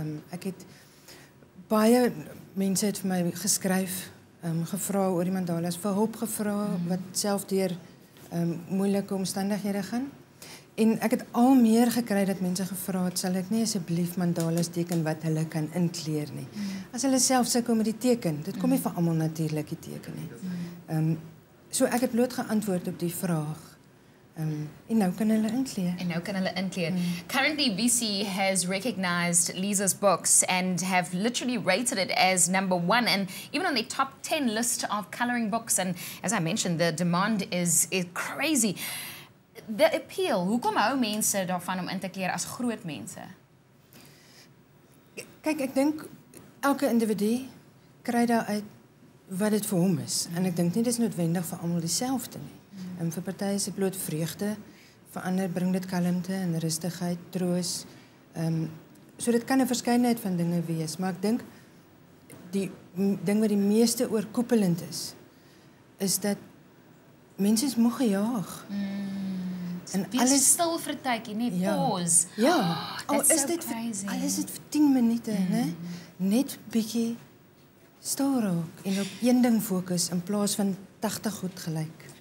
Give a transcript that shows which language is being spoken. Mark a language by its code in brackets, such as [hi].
[af] Ek het baie mense het vir my geskryf gevra oor die mandalas, vir hulp gevra wat self deur moeilike omstandighede gaan. En ek het al meer gekry dat mense gevra het, sal ek nie asseblief mandalas teken wat hulle kan inkleer nie. As hulle self sukkel met die teken, dit kom nie vir almal natuurlik die teken nie. So ek het bloot geantwoord op die vraag. En nou kan hulle inkleer. En nou kan hulle inkleer. Mm. [en] Currently BC has recognized Lize's books and have literally rated it as number one and even on the top 10 list of colouring books. And as I mentioned, the demand is crazy. The appeal, [af] hoekom hou mense daarvan om in te kleer as groot mense? Kyk, ek dink elke individu kry daaruit wat dit vir hom is. En ek dink nie dit is noodwendig vir almal dieselfde nie. En vir party is dit bloot vreugde, vir ander bring dit kalmte en rustigheid, troos. So dit kan 'n verskeidenheid van dinge wees, maar ek dink die ding wat die meeste oorkoepelend is, is dat mense is moeg gejaag. En alles stil vir 'n tydjie, net pause. Ja. Al is dit crazy. Al is dit vir 10 minute, né? Net bietjie stil raak en op een ding fokus in plaas van 80 goed gelyk.